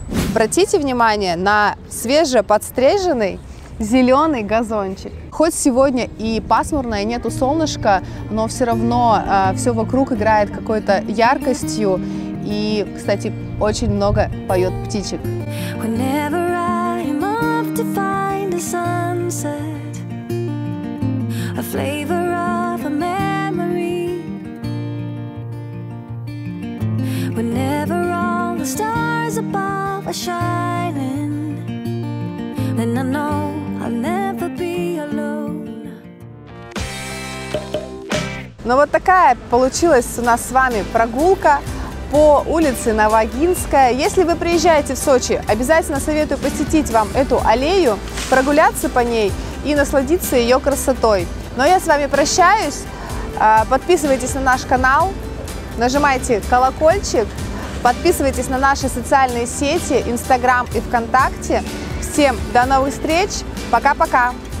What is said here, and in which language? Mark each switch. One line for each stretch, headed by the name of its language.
Russian: Обратите внимание на свежеподстриженный зеленый газончик. Хоть сегодня и пасмурно, и нету солнышка, но все равно все вокруг играет какой-то яркостью. И, кстати, очень много поет птичек.
English: Whenever I'm off to find a sunset, a flavor of a memory. Whenever all the stars above are shining, then I know I'll never be alone.
Russian: Ну вот такая получилась у нас с вами прогулка по улице Новоогинская. Если вы приезжаете в Сочи, обязательно советую посетить вам эту аллею, прогуляться по ней и насладиться ее красотой. Ну а я с вами прощаюсь. Подписывайтесь на наш канал, нажимайте колокольчик, подписывайтесь на наши социальные сети, Instagram и ВКонтакте. Всем до новых встреч. Пока-пока.